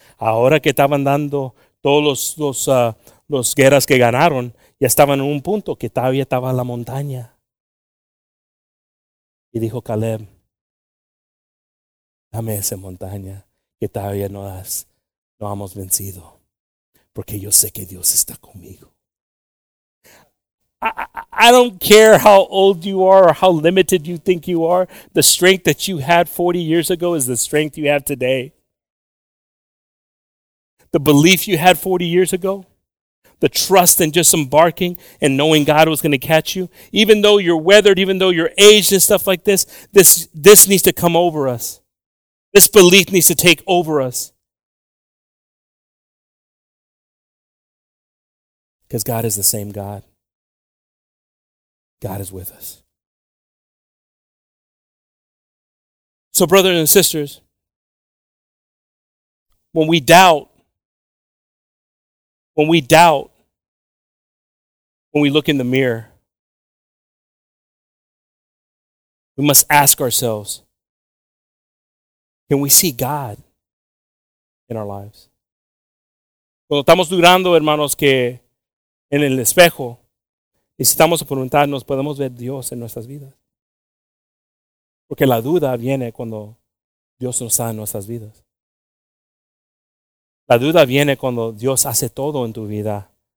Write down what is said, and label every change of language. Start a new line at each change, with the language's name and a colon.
Spanish: Ahora que estaban dando todos los guerras que ganaron, ya estaban en un punto que todavía estaba la montaña. Y dijo Caleb, dame esa montaña que todavía no hemos vencido, porque yo sé que Dios está conmigo.
English: I don't care how old you are or how limited you think you are. The strength that you had 40 years ago is the strength you have today. The belief you had 40 years ago, the trust in just embarking and knowing God was going to catch you, even though you're weathered, even though you're aged and stuff like this, this needs to come over us. This belief needs to take over us. Because God is the same God. God is with us. So, brothers and sisters, when we doubt, when we look in the mirror, we must ask ourselves, can we see God in our lives?
Spanish: Cuando estamos dudando, hermanos, que en el espejo, necesitamos preguntarnos, ¿podemos ver Dios en nuestras vidas? Porque la duda viene cuando Dios no está en nuestras vidas. La duda viene cuando Dios hace todo en tu vida.